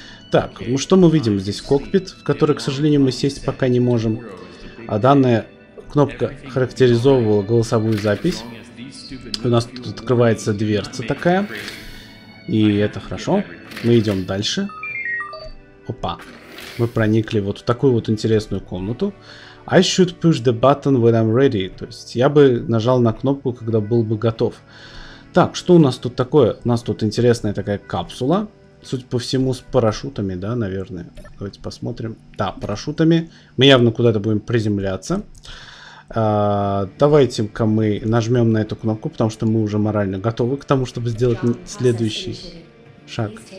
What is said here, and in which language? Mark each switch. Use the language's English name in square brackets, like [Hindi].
[Russian] Так, ну что мы видим? Здесь кокпит, в который, к сожалению, мы сесть пока не можем. А данная кнопка характеризовывала голосовую запись. У нас тут открывается дверца такая. И это хорошо. Мы идем дальше. Опа. Мы проникли вот в такую вот интересную комнату. [English] I should push the button when I'm ready. [Russian] То есть я бы нажал на кнопку, когда был бы готов. Так, что у нас тут такое? У нас тут интересная такая капсула. Судя по всему, с парашютами, да, наверное. Давайте посмотрим. Да, парашютами. Мы явно куда-то будем приземляться. Давайте-ка мы нажмем на эту кнопку, потому что мы уже морально готовы к тому, чтобы сделать следующий шаг.